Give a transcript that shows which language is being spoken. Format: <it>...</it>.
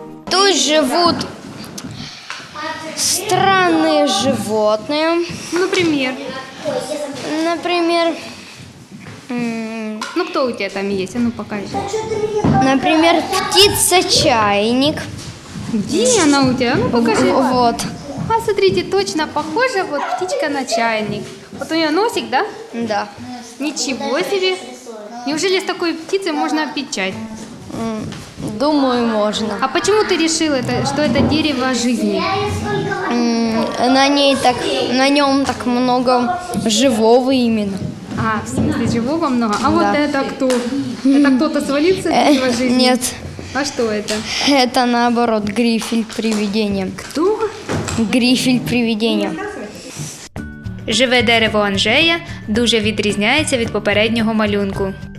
<uk>Тут живуть странні животні. Наприклад? Наприклад... Ну, хто у тебе там є? Ну, покажи. Наприклад, птиця-чайник.</uk> <ru>Где она у тебя? Ну покажи. Вот. А смотрите, точно похожа вот птичка на чайник. Вот у нее носик, да? Да. Ничего себе. Неужели с такой птицей можно пить чай? Думаю, можно. А почему ты решила, что это дерево жизни? На нем так много живого именно. А, в смысле живого много? А вот это кто? Это кто-то свалился из этого жизни? Нет. А что это? Это наоборот грифель-привидение. Кто? Грифель-привидение.</ru> <uk>Живе дерево Анжея дуже відрізняється від попереднього малюнку.</uk>